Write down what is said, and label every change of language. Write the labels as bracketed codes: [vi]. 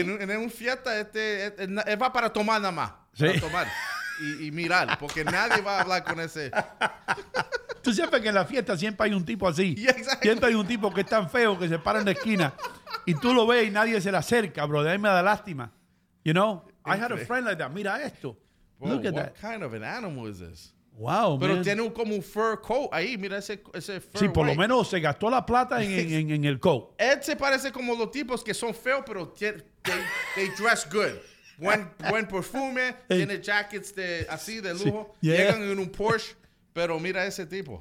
[es] En una fiesta, él va para tomar nada más. Sí. A tomar y mirar, porque nadie va a hablar con ese. Tú sabes que en la fiesta siempre hay un tipo así. [en] Yeah, exactly. [es] Siempre hay un tipo que es tan feo que se para en la esquina y tú lo ves y nadie se le acerca, bro. De ahí me da lástima. [en] You know? I had a friend like that. [es] Mira esto. [en] Bro, look at what that. What kind of an animal is this? Wow, [es] pero [en] man. [es] Tiene como un fur coat ahí. Mira ese fur. Sí, [en] white. [es] Por lo menos se gastó la plata en el coat. Él se parece como los tipos que son feos, pero [en] they dress good. [es] Buen perfume, tiene jackets así de lujo, sí. [en] Yeah. [es] Llegan en un Porsche, pero mira ese tipo.